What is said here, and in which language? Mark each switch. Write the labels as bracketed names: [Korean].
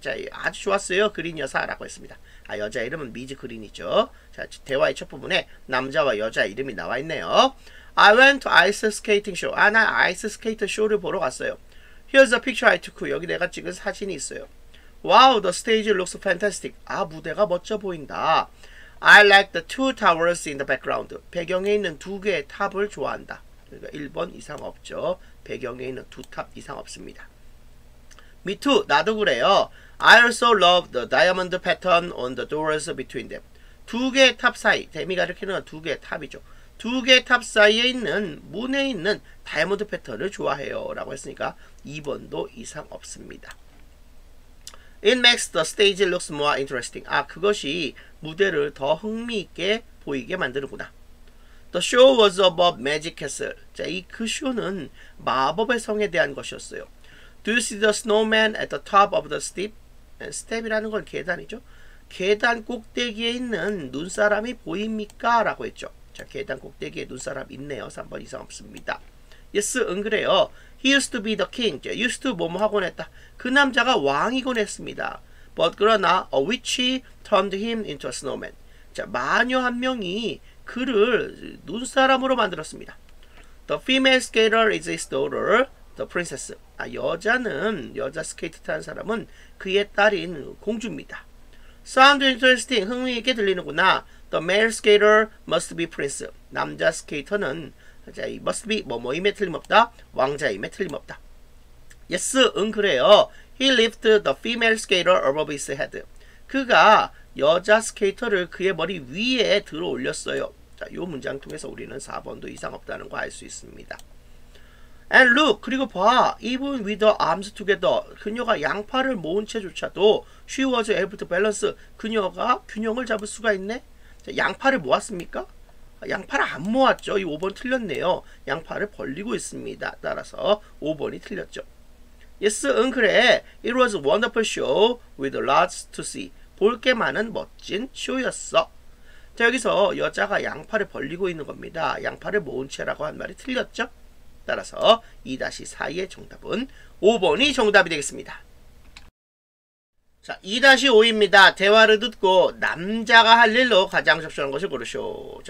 [Korean] 자, 아주 좋았어요, 그린 여사라고 했습니다. 아, 여자 이름은 미즈 그린이죠. 자, 대화의 첫 부분에 남자와 여자 이름이 나와 있네요. [English] I went to ice skating show. [Korean] 아, 나 아이스 스케이트 쇼를 보러 갔어요. [English] Here's a picture I took. [Korean] 여기 내가 찍은 사진이 있어요. [English] Wow, the stage looks fantastic. [Korean] 아, 무대가 멋져 보인다. [English] I like the two towers in the background. [Korean] 배경에 있는 두 개의 탑을 좋아한다. 그러니까 1번 이상 없죠. 배경에 있는 두탑 이상 없습니다. [English] Me too. [Korean] 나도 그래요. [English] I also love the diamond pattern on the doors between them. [Korean] 두 개의 탑 사이. 데미가 이렇게는 두 개의 탑이죠. 두 개의 탑 사이에 있는 문에 있는 다이아몬드 패턴을 좋아해요. 라고 했으니까 2번도 이상 없습니다. [English] It makes the stage looks more interesting. [Korean] 아, 그것이 무대를 더 흥미있게 보이게 만드는구나. [English] The show was about magic castle. [Korean] 자, 이그 쇼는 마법의 성에 대한 것이었어요. [English] Do you see the snowman at the top of the steep? [Korean] Step이라는 건 계단이죠. 계단 꼭대기에 있는 눈사람이 보입니까? 라고 했죠. 자, 계단 꼭대기에 눈사람 있네요. 3번 이상 없습니다. [English] Yes, [Korean] 응, 그래요. [English] He used to be the king. [Korean] Used to 뭐뭐 하곤 했다. 그 남자가 왕이곤 했습니다. [English] But [Korean] 그러나 [English] a witch turned him into a snowman. [Korean] 자, 마녀 한 명이 그를 눈사람으로 만들었습니다. [English] The female skater is his daughter, the princess. [Korean] 아, 여자는 여자 스케이트 타는 사람은 그의 딸인 공주입니다. [English] Sound interesting. [Korean] 흥미있게 들리는구나. [English] The male skater must be prince. [Korean] 남자 스케이터는 자, must be 뭐뭐임에 틀림없다. 왕자임에 틀림없다. [English] Yes, [Korean] 응, 그래요. [English] He lifted the female skater above his head. [Korean] 그가 여자 스케이터를 그의 머리 위에 들어 올렸어요. 자, 요 문장 통해서 우리는 4번도 이상 없다는 거알수 있습니다. [English] And look, [Korean] 그리고 봐. [English] Even with her arms together. [Korean] 그녀가 양팔을 모은 채조차도 [English] she was able to balance. [Korean] 그녀가 균형을 잡을 수가 있네. 자, 양팔을 모았습니까? 양팔을 안 모았죠. 이 5번 틀렸네요. 양팔을 벌리고 있습니다. 따라서 5번이 틀렸죠. [English] Yes, [Korean] 응, 그래. [English] It was a wonderful show with lots to see. [Korean] 볼게 많은 멋진 쇼였어. 자, 여기서 여자가 양팔을 벌리고 있는 겁니다. 양팔을 모은 채라고 한 말이 틀렸죠. 따라서 2-4의 정답은 5번이 정답이 되겠습니다. 자, 2-5입니다. 대화를 듣고 남자가 할 일로 가장 적절한 것을 고르쇼.